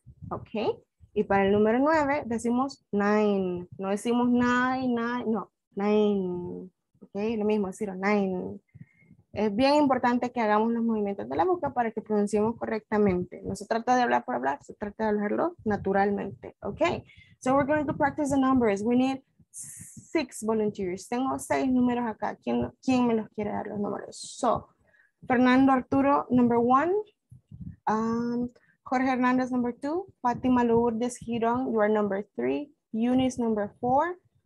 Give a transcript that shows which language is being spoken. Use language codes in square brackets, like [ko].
[es] Ok, y para el número 9 decimos 9, no decimos 9, no, 9, ok, lo mismo, decir 9. Es bien importante que hagamos los movimientos de la boca para que pronunciemos correctamente. No se trata de hablar por hablar, se trata de hablarlo naturalmente, ok. [en] So we're going to practice the numbers, we need 6 volunteers. [es] Tengo 6 números acá, ¿quién me los quiere dar los números? [en] So, Fernando Arturo, number 1. Jorge Hernandez, number 2. Fatima Lourdes Girón, you are number 3. Eunice, number 4.